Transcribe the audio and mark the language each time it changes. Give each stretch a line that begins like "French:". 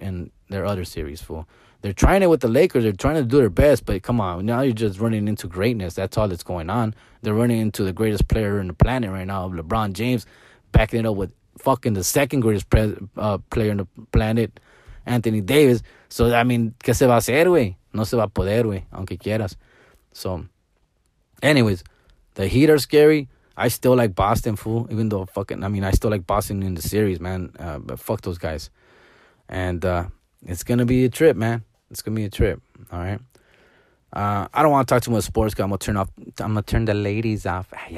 English: And their other series, fool. They're trying it with the Lakers. They're trying to do their best, but come on. Now you're just running into greatness. That's all that's going on. They're running into the greatest player on the planet right now, LeBron James, backing it up with fucking the second greatest player on the planet, Anthony Davis. So, I mean,
Spanish: ¿qué se va a hacer, güey? No se va a poder, güey, aunque quieras.
English: So, anyways, the Heat are scary. I still like Boston, fool, even though I still like Boston in the series, man. But fuck those guys. And, it's going to be a trip, man. It's going to be a trip, all right? I don't want to talk too much sports, because I'm going to turn the ladies off.